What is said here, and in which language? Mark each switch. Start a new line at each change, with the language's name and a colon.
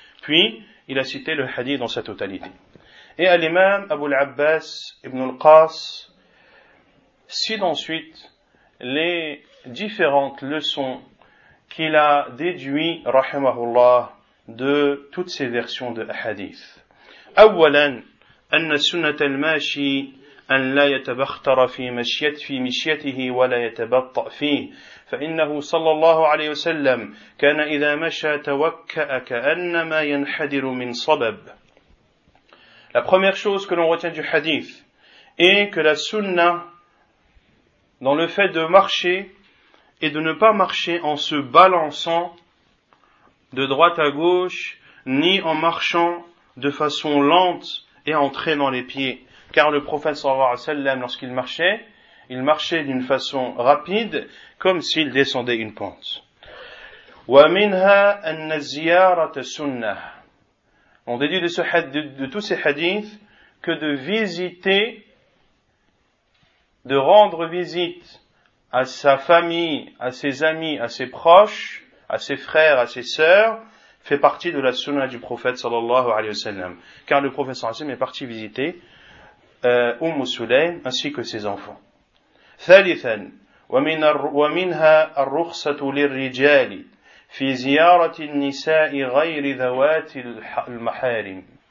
French: Puis, il a cité le hadith dans sa totalité. Et à l'imam Abu al-Abbas ibn al-Qas cite ensuite les différentes leçons qu'il a déduites, rahimahullah, de toutes ces versions de hadith.
Arabic: Awalan, anna sunnat al-mashi أن لا يتبختر في مشيته ولا يتبطأ فيه فإنه صلى الله عليه وسلم كان إذا مشى توكأ كأنما ينحدر من صبب.
French: La première chose que l'on retient du hadith est que la sunna dans le fait de marcher et de ne pas marcher en se balançant de droite à gauche ni en marchant de façon lente et en traînant les pieds. Car le prophète sallallahu alayhi wa sallam, lorsqu'il marchait, il marchait d'une façon rapide, comme s'il descendait une pente.
Arabic: وَمِنْهَا أَنَّ الزِّيَارَةَ سُنَّةَ.
French: On déduit de tous ces hadiths que de visiter, de rendre visite à sa famille, à ses amis, à ses proches, à ses frères, à ses sœurs, fait partie de la sunna du prophète sallallahu alayhi wa sallam. Car le prophète sallallahu alayhi wa sallam est parti visiter أم سليم ainsi que ses enfants.
Arabic: ثالثا ومنها الرخصة للرجال في زيارة النساء غير ذوات المحارم.